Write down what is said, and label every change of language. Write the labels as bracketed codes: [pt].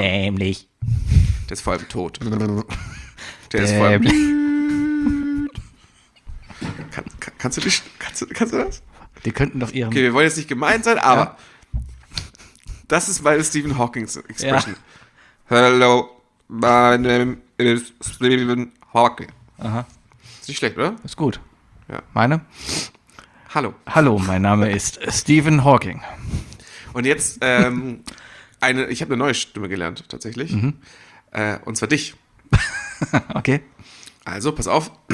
[de] Dämlich. Der ist vor allem tot. Der ist vor allem. Kannst du das? Die könnten doch ihren. Okay, wir wollen jetzt nicht gemein sein, aber. Ja. Das ist meine Stephen Hawking's Expression. Ja. [en] Hello, my name is Stephen Hawking. [de] Aha. Ist nicht schlecht, oder? Ist gut. Ja. Meine? Hallo. Hallo, mein Name ist Stephen Hawking. Und jetzt, ich habe eine neue Stimme gelernt, tatsächlich. Und zwar dich. Okay. Also, pass auf.